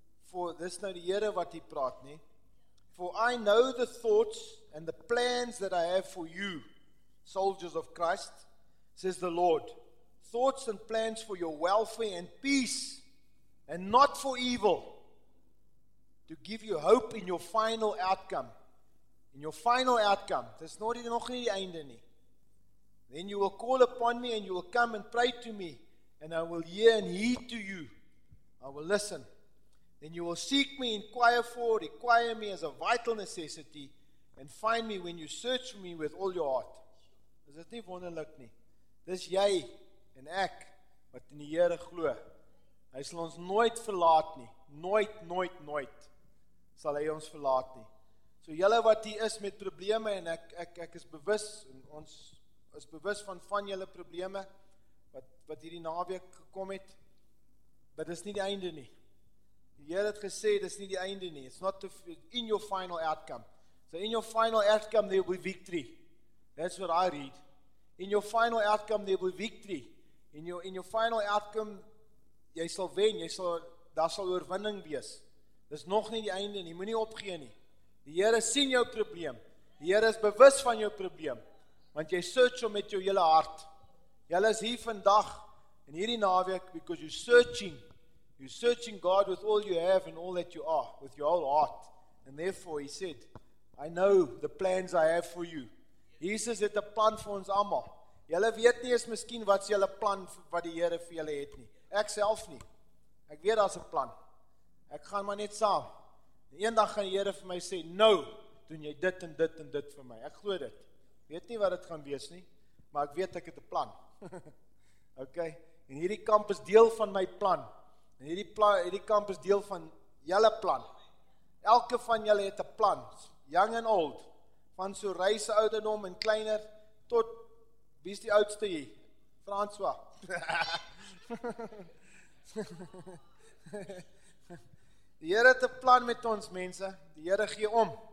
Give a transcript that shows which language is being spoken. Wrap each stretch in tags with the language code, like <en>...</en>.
<af>For dis nou die Here wat hier praat nie.</af> <en>For I know the thoughts and the plans that I have for you, soldiers of Christ, says the Lord. Thoughts and plans for your welfare and peace, and not for evil, to give you hope in your final outcome. In your final outcome,</en> <af>dis nog nie die einde nie.</af> <en>Then you will call upon me and you will come and pray to me, and I will hear and heed to you. I will listen. Then you will seek me, inquire for, require me as a vital necessity, and find me when you search for me with all your heart.</en> <af>Is dit nie wonderlik nie? Dis jy en ek wat in die Here glo. Hy sal ons nooit verlaat nie. Nooit, nooit, nooit sal hy ons verlaat nie. So julle wat hier is met probleme, en ek is bewus, en ons is bewus van julle probleme, wat hierdie naweek gekom het, dit is nie die einde nie. Die Heer het gesê, dit is nie die einde nie.</af> <en>It's not in your final outcome. So in your final outcome, there will be victory. That's what I read. In your final outcome, there will be victory. In your final outcome,</en> <af>jy sal wen, daar sal oorwinning wees. Dit is nog nie die einde nie, moet nie opgee nie. Die Heere sien jou probleem. Die Heere is bewus van jou probleem. Want jy search om met jou hele hart. Jy is hier vandag, in hierdie naweek,</af> <en>because you're searching. You're searching God with all you have and all that you are, with your whole heart. And therefore he said, I know the plans I have for you.</en> <af>Jesus het 'n plan vir ons allemaal. Jylle weet nie eens miskien wat is jylle plan wat die Heere vir jylle het nie. Ek self nie. Ek weet daar's 'n plan. Ek gaan maar net saam. Eendag gaan die Heere vir my sê, nou doen jy dit en dit en dit vir my. Ek glo dit. Weet nie wat dit gaan wees nie, maar ek weet ek het 'n plan. Ok, en hierdie kamp is deel van my plan. En hierdie kamp is deel van jylle plan. Elke van jylle het 'n plan,</af> <en>young and old.</en> <af>Van so reise ouderdom en kleiner, tot, wie is die oudste jy? François. Die Heere het 'n plan met ons mense, die Heere gee om.</af>